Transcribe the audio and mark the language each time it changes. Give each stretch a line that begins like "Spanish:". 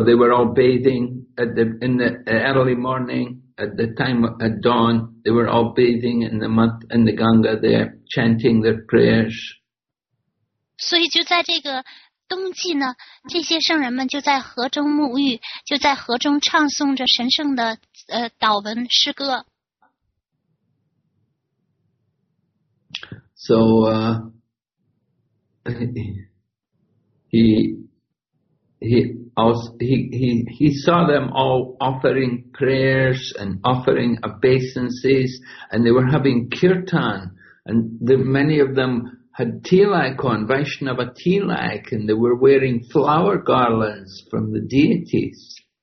English: they were all bathing at the in the early morning, at the time at dawn. They were all bathing in the month in the Ganga there, chanting their prayers.
Chinese: 所以就在这个 冬季呢，这些圣人们就在河中沐浴，就在河中唱诵着神圣的祷文诗歌。So
English: he saw them all offering prayers and offering obeisances, and they were having kirtan, and many of them had tilak on, Vaishnava tilak, and they were wearing flower garlands from the deities.